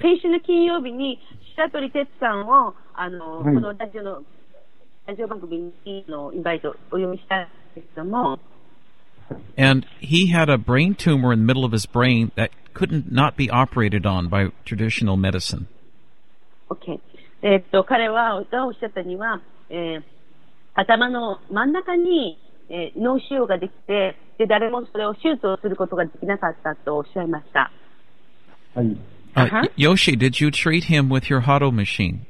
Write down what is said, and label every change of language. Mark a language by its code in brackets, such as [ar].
[ja] 先週の金曜日に白鳥哲さんをこのラジオ番組のインバイトお呼びしたんですけども。 [en] And he had a brain tumor in the middle of his brain that couldn't not be operated on by traditional medicine. Okay. [ja] 彼はがおっしゃったには、頭の真ん中に、脳腫瘍ができて、で誰もそれを手術をすることができなかったとおっしゃいました。はい。 [en] Yoshi, did you treat him with your HADO machine?